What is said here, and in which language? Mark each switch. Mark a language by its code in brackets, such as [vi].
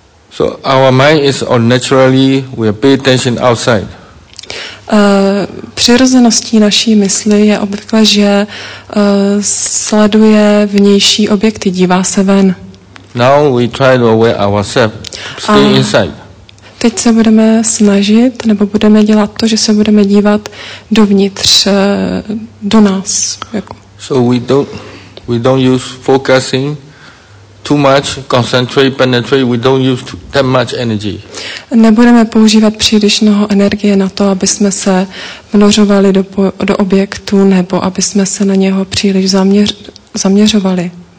[en] So our mind is unnaturally, we pay attention outside. [cs] Přirozeností naší mysli je obvykle, že sleduje vnější objekty, dívá se ven. [en] Now we try to aware ourselves, stay inside. [cs] Teď se budeme snažit, nebo budeme dělat to, že se budeme dívat dovnitř, do nás. [en] So we don't use focusing too much, concentrate, penetrate, we don't use that much energy. [cs] Nebudeme používat příliš mnoho energie na to, aby jsme se vnořovali do objektu, nebo aby jsme se na něho příliš zaměřovali.